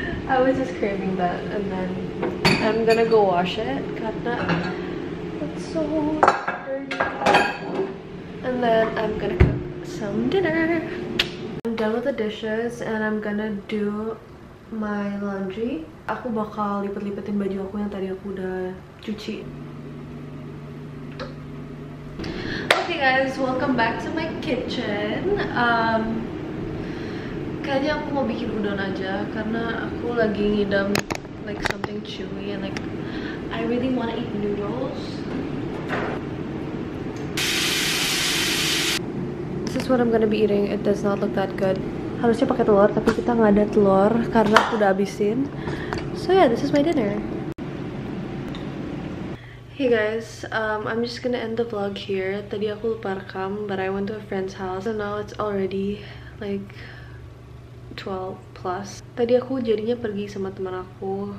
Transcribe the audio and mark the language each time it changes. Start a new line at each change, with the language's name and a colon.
English: I was just craving that, and then I'm gonna go wash it karena it's so dirty. And then I'm gonna cook some dinner. I'm done with the dishes, and I'm gonna do my laundry.
Indonesian: Aku bakal lipet-lipetin baju aku yang tadi aku udah cuci.
English: Okay guys, welcome back to my kitchen.
Indonesian: Kayaknya aku mau bikin udon aja karena aku lagi ngidam
English: like something chewy, and like I really wanna eat noodles. This is what I'm gonna be eating. It does not look that good.
Indonesian: Harusnya pakai telur, tapi kita nggak ada telur karena aku udah abisin.
English: So yeah, this is my dinner. Hey guys, I'm just gonna end the vlog here.
Indonesian: Tadi aku lupa rekam,
English: but I went to a friend's house, and now it's already like 12 plus.
Indonesian: Tadi aku jadinya pergi sama teman aku.